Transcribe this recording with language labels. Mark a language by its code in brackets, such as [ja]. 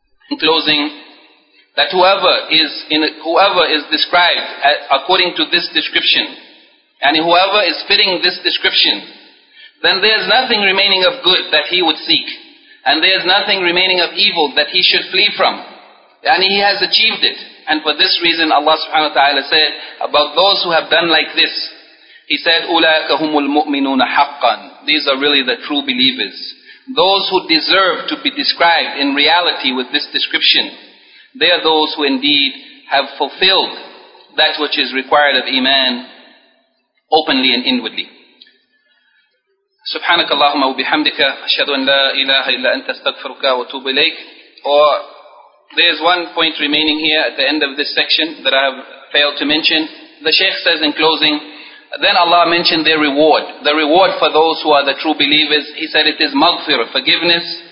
[en] In closing, that whoever is described according to this description, yani whoever is fitting this description, then there is nothing remaining of good that he would seek. And there is nothing remaining of evil that he should flee from. And he has achieved it. And for this reason Allah subhanahu wa ta'ala said about those who have done like this. He said, [ar] أُولَٰئِكَ هُمُ الْمُؤْمِنُونَ حَقًّا. [en] These are really the true believers. Those who deserve to be described in reality with this description. They are those who indeed have fulfilled that which is required of iman openly and inwardly. [ar] سبحانك اللهم وبحمدك أشهد أن لا إله إلا أنت استغفرك وأتوب إليك. [en] Or there's one point remaining here at the end of this section that I have failed to mention. The Shaykh says in closing, then Allah mentioned their reward. The reward for those who are the true believers. He said it is maghfirah, forgiveness.